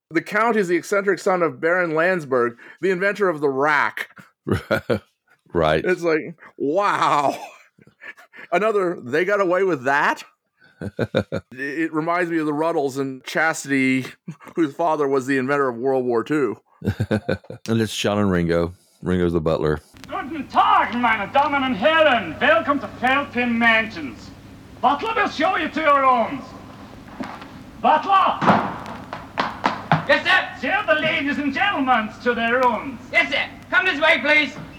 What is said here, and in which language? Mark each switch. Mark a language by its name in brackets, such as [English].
[English] The Count is the eccentric son of Baron Landsberg, the inventor of the rack. Right. It's like, wow. Another, they got away with that? It reminds me of the Ruddles and Chastity, whose father was the inventor of World War II. And it's John and Ringo. Ringo's the butler. [German] Guten Tag, meine Damen und Herren. [English] Welcome to Feldman Mansions. Butler will show you to your rooms. Butler! Yes, sir? Show the ladies and gentlemen to their rooms. Yes, sir. Come this way, please.